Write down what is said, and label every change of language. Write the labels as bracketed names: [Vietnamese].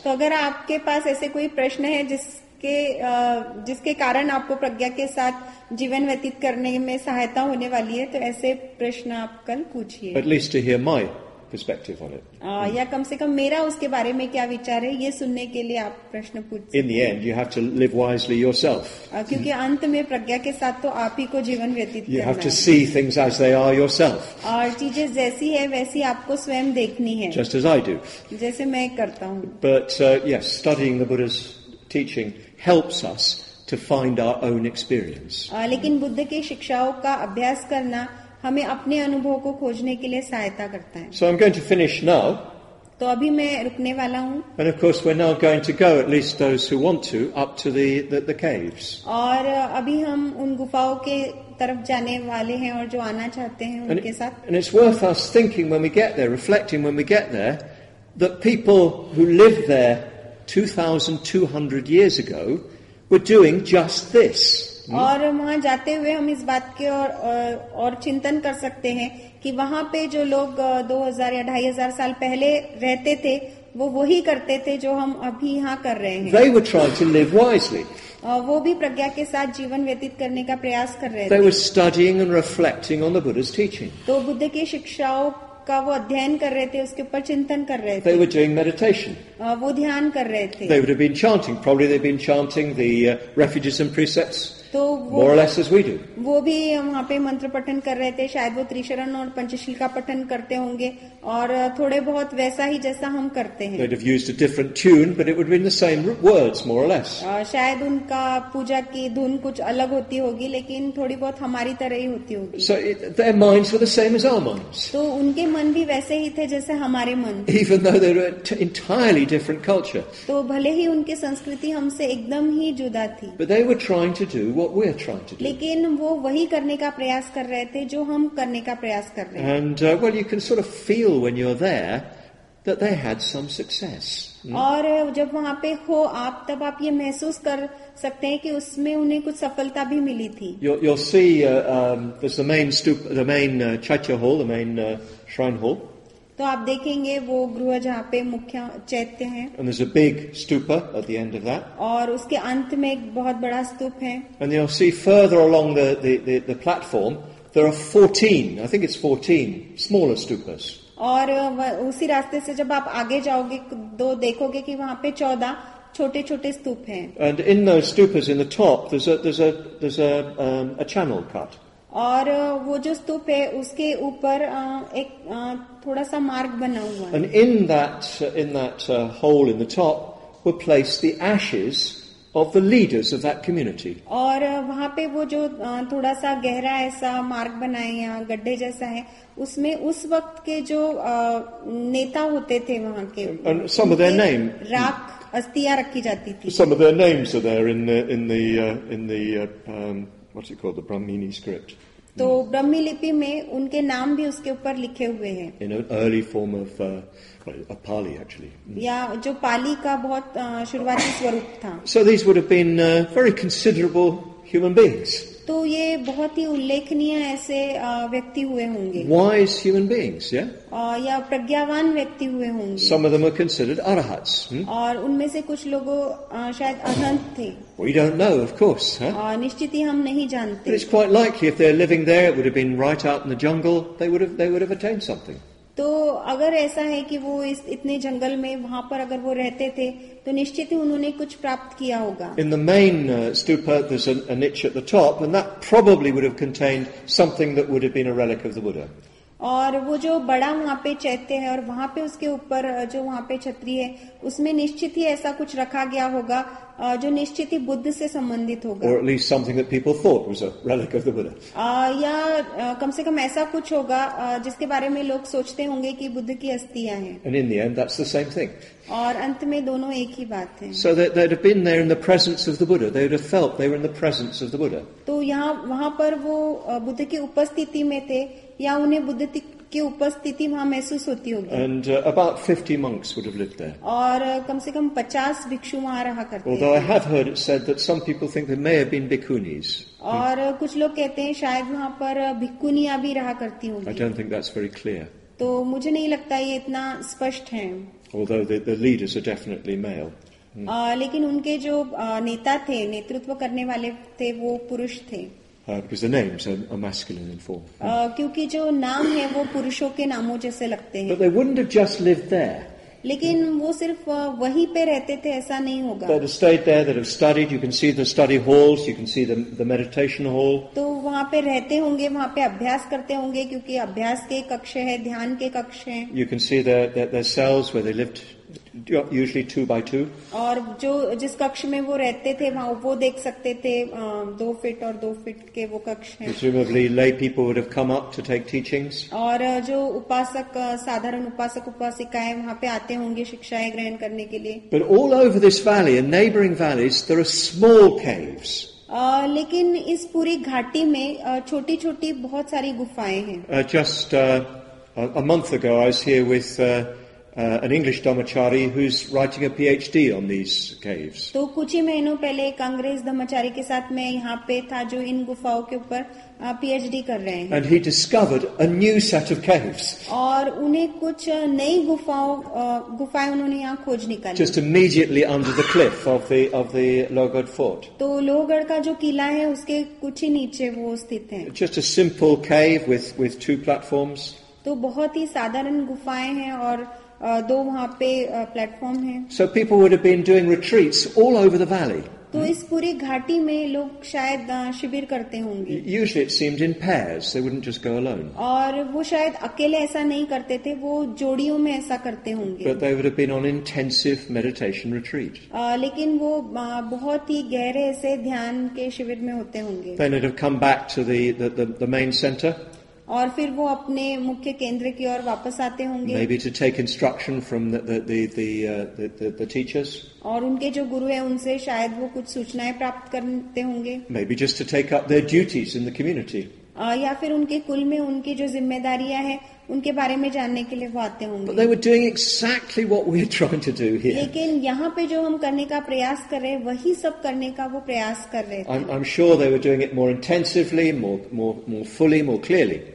[Hindi] तो अगर आपके पास ऐसे कोई प्रश्न है जिस जिसके जिसके कारण आपको प्रज्ञा के साथ जीवन व्यतीत करने में सहायता होने वाली है, तो ऐसे प्रश्न आप कल पूछिए. [English] At least to hear my perspective on it. [Hindi] या कम से कम मेरा उसके बारे में क्या विचार है ये सुनने के लिए आप प्रश्न पूछ सकते हैं. [English] In the end, you have to live wisely yourself. [Hindi] क्योंकि अंत में प्रज्ञा के साथ तो आप ही को जीवन व्यतीत करना है. [English] You have to see things as they are yourself. [Hindi] और चीजें जैसी है वैसी आपको स्वयं देखनी है. [English] Just as I do. [Hindi] जैसे मैं करता हूँ. [English] But yes, studying the Buddha's teaching helps us to find our own experience. [Hindi] लेकिन बुद्ध के शिक्षाओं का अभ्यास करना हमें अपने अनुभव को खोजने के लिए सहायता करता है. [English] So I'm going to finish now. [Hindi] तो अभी मैं रुकने वाला हूँ. [English] And of course we're now going to go, at least those who want to, up to the caves. [Hindi] और अभी हम उन गुफाओं के तरफ जाने वाले हैं और जो आना चाहते हैं उनके साथ. [English] And it's worth us thinking when we get there, reflecting when we get there, that people who lived there 2,200 years ago were doing just this. [Hindi] और वहाँ जाते हुए हम इस बात के और चिंतन कर सकते हैं कि वहाँ पे जो लोग 2,000 या 2,500 साल पहले रहते थे वो वही करते थे जो हम अभी यहाँ कर रहे हैं. [English] They were trying to live wisely. [Hindi] वो भी प्रज्ञा के साथ जीवन व्यतीत करने का प्रयास कर रहे थे. [English] They were studying and reflecting on the Buddha's teaching. [Hindi] तो बुद्ध के शिक्षाओं का वो अध्ययन कर रहे थे, उसके ऊपर चिंतन कर रहे थे. [English] They were doing meditation. [Hindi] वो ध्यान कर रहे थे. [English] They would have been chanting. Probably they've been chanting the refuges and precepts. More or less as we do. [Hindi] वो भी वहाँ पे मंत्र पठन कर रहे थे. शायद वो त्रिशरण और पंचशील का पठन करते होंगे और थोड़े बहुत वैसा ही जैसा हम करते हैं. [English] They'd have used a different tune, but it would have been the same words, more or less. [Hindi] शायद उनका पूजा की धुन कुछ अलग होती होगी, लेकिन थोड़ी बहुत हमारी तरह ही होती होगी. [English] So their minds were the same as our minds. [Hindi] तो उनके मन भी वैसे ही थे जैसे हमारे मन. [English] Even though they were entirely different culture. [Hindi] तो भले ही उनकी संस्कृति हमसे एकदम ही जुदा थी. [English] But they were trying to do what we're trying to do. [Hindi] लेकिन वो वही करने का प्रयास कर रहे थे जो हम करने का प्रयास कर रहे हैं. [English] And well, you can sort of feel when you're there that they had some success. [Hindi] और जब वहाँ पे हो आप तब आप ये महसूस कर सकते हैं कि उसमें उन्हें कुछ सफलता भी मिली थी. [English] You'll see there's the main stoop, the main chaitya hall, the main shrine hall. [Hindi] तो आप देखेंगे वो गृह जहाँ पे मुख्य चैत्य हैं. [English] And there's a big stupa at the end of that. [Hindi] और उसके अंत में एक बहुत बड़ा स्तूप है. [English] And you'll see further along the platform there are 14, I think it's 14 smaller stupas. [Hindi] और उसी रास्ते से जब आप आगे जाओगे तो देखोगे कि वहाँ पे 14 छोटे छोटे स्तूप हैं. [English] And in those stupas in the top there's a channel cut. [Hindi] और वो जो स्तूप है उसके ऊपर एक थोड़ा सा मार्ग बना हुआ है. [English] And in that hole in the top were placed the ashes of the leaders of that community. [Hindi] और वहाँ पे वो जो थोड़ा सा गहरा ऐसा मार्ग बनाए या गड्ढे जैसा है उसमें उस वक्त के जो नेता होते थे वहाँ के. [English] And some of their name. [Hindi] राख अस्थियाँ रखी जाती थी. [English] Some of their names are there in the what's it called, the Brahmini script. [Hindi] तो ब्रह्मी लिपि में उनके नाम भी उसके ऊपर लिखे हुए हैं. [English] In an early form of a Pali actually. [Hindi] या जो पाली का बहुत शुरुआती स्वरूप था. [English] So these would have been very considerable human beings. [Hindi] तो ये बहुत ही उल्लेखनीय ऐसे व्यक्ति हुए होंगे. [English] Wise human beings, yeah? [Hindi] या प्रज्ञावान व्यक्ति हुए होंगे. [English] Some of them are considered arahats. [Hindi] और उनमें से कुछ लोगों शायद अनंत थे. [English] We don't know, of course. [Hindi] निश्चित ही हम नहीं जानते. [English] But it's quite likely if they're living there, it would have been right out in the jungle. They would have attained something. [Hindi] तो अगर ऐसा है कि वो इस इतने जंगल में वहाँ पर अगर वो रहते थे तो निश्चित ही उन्होंने कुछ प्राप्त किया होगा. [English] In the main stupa there's a niche at the top and that probably would have contained something that would have been a relic of the Buddha. [Hindi] और वो जो बड़ा वहाँ पे चैत्य है और वहाँ पे उसके ऊपर जो वहाँ पे छतरी है उसमें निश्चित ही ऐसा कुछ रखा गया होगा जो निश्चित ही बुद्ध से संबंधित होगा. [English] Or at least something that people thought was a relic of the Buddha. [Hindi] या कम से कम ऐसा कुछ होगा जिसके बारे में लोग सोचते होंगे कि बुद्ध की अस्थियां हैं. [English] And in the end, that's the same thing. [Hindi] और अंत में दोनों एक ही बात है. [English] So they'd have been there in the presence of the Buddha. They would have felt they were in the presence of the Buddha. [Hindi] तो यहाँ वहाँ पर वो बुद्ध की उपस्थिति में थे या उन्हें बुद्ध की उपस्थिति वहाँ महसूस होती होगी. [English] And about 50 monks would have lived there. [Hindi] और कम से कम 50 भिक्षु वहाँ रहा करते. [English] Although I have heard it said that some people think there may have been bhikkhunis. [Hindi] और कुछ लोग कहते हैं शायद वहाँ पर भिक्कुनिया भी रहा करती होंगी. [English] I don't think that's very clear. [Hindi] तो मुझे नहीं लगता ये इतना स्पष्ट है. [English] Although the leaders are definitely male. [Hindi] लेकिन उनके जो नेता थे, नेतृत्व करने वाले थे, वो पुरुष थे. [English] Because the names are masculine in form. [Hindi] क्योंकि जो नाम है वो पुरुषों के नामों जैसे लगते हैं. [English] But they wouldn't have just lived there. [Hindi] लेकिन वो सिर्फ वहीं पे रहते थे ऐसा नहीं होगा. [English] They'd have stayed there. They'd have studied. You can see the study halls. You can see the meditation hall. [Hindi] तो वहाँ पे रहते होंगे, वहाँ पे अभ्यास करते होंगे, क्योंकि अभ्यास के कक्ष हैं, ध्यान के कक्ष हैं. [English] You can see their cells where they lived. Usually 2x2. [Hindi] और जो जिस कक्ष में वो रहते थे वहाँ वो देख सकते थे, दो फीट और दो फीट के वो कक्ष हैं. [English] Presumably lay people would have come up to take teachings. [Hindi] और जो उपासक, साधारण उपासक उपासिकाएं वहाँ पे आते होंगे शिक्षाएं ग्रहण करने के लिए. [English] But all over this valley and neighboring valleys there are small caves. [Hindi] लेकिन इस पूरी घाटी में छोटी छोटी बहुत सारी गुफाएं हैं. [English] Just a month ago I was here with an English Dhammachari who's writing a PhD on these caves. [Hindi] तो कुछ ही महीनों पहले एक अंग्रेज धर्मचारी के साथ मैं यहाँ पे था जो इन गुफाओं के ऊपर PhD कर रहे हैं. [English] And he discovered a new set of caves. [Hindi] और उन्हें कुछ नई गुफाएं उन्होंने यहाँ खोज निकाली. [English] Just immediately under the cliff of the Lohgarh fort. [Hindi] तो लोहगढ़ का जो किला है उसके कुछ ही नीचे वो स्थित है. [English] Just a simple cave with two platforms. [Hindi] तो बहुत ही साधारण गुफाएं हैं और दो वहाँ पे प्लेटफॉर्म है. [English] So people would have been doing retreats all over the valley. [Hindi] तो इस पूरी घाटी में लोग शायद शिविर करते होंगे. [English] Usually it seemed in pairs, they wouldn't just go alone. [Hindi] और वो शायद अकेले ऐसा नहीं करते थे, वो जोड़ियों में ऐसा करते होंगे. [English] But they would have been on intensive meditation retreat. [Hindi] लेकिन वो बहुत ही गहरे ऐसे ध्यान के शिविर में होते होंगे. [English] Then it would have come back to the main center. [Hindi] और फिर वो अपने मुख्य केंद्र की ओर वापस आते होंगे. [English] Maybe to take instruction from the teachers. [Hindi] और उनके जो गुरु हैं उनसे शायद वो कुछ सूचनाएं प्राप्त करते होंगे. [English] Maybe just to take up their duties in the community. [Hindi] या फिर उनके कुल में उनकी जो जिम्मेदारियां हैं उनके बारे में जानने के लिए वो आते होंगे. [English] But they were doing exactly what we're trying to do here. [Hindi] लेकिन यहाँ पे जो हम करने का प्रयास कर रहे हैं वही सब करने का वो प्रयास कर रहे थे. [English] I'm sure they were doing it more intensively, more fully, more clearly.